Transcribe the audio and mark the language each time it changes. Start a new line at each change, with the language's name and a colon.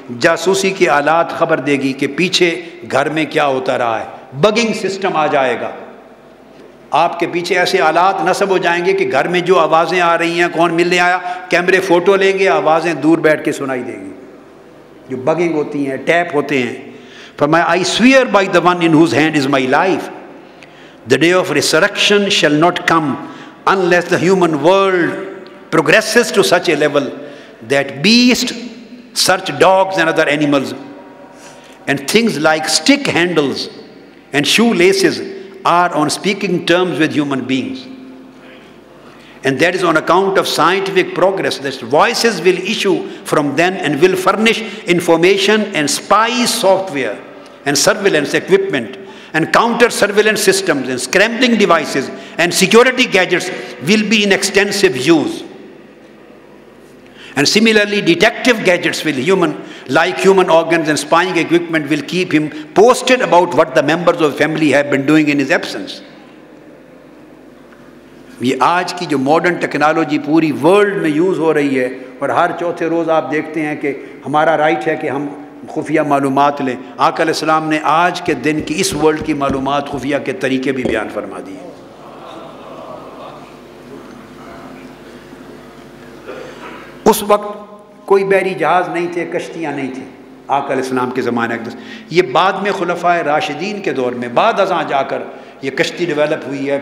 Urdu: جاسوسی کی آلات خبر دے گی کہ پیچھے گھر میں کیا ہوتا رہا ہے, بگنگ سسٹم آ جائے گا, آپ کے پیچھے ایسے آلات نصب ہو جائیں گے کہ گھر میں جو آوازیں آ رہی ہیں, کون ملنے آیا, کیمرے فوٹو لیں گے, آوازیں دور بیٹھ کے سنائی دیں گی, جو بگنگ ہوتی ہیں, ٹیپ ہوتے ہیں.
English: فرمایا I swear by the one in whose hand is my life, the day of resurrection shall not come unless the human world progresses to such a level that beasts such dogs and other animals and things like stick handles and shoelaces are on speaking terms with human beings, and that is on account of scientific progress, that voices will issue from them and will furnish information and spy software and surveillance equipment and counter surveillance systems and scrambling devices and security gadgets will be in extensive use, and similarly detective gadgets will human like human organs and spying equipment will keep him posted about what the members of family have been doing in his absence.
Urdu: Ye aaj ki jo modern technology puri world mein use ho rahi hai, aur har chauthe roz aap dekhte hain ki hamara right hai ki hum خفیہ معلومات لیں. آقا علیہ السلام نے آج کے دن کی اس ورلڈ کی معلومات خفیہ کے طریقے بھی بیان فرما دی. اس وقت کوئی بحری جہاز نہیں تھے, کشتیاں نہیں تھیں آقا علیہ السلام کے زمانے کے, یہ بعد میں خلفائے راشدین کے دور میں بعد ازاں جا کر یہ کشتی ڈیولپ ہوئی ہے.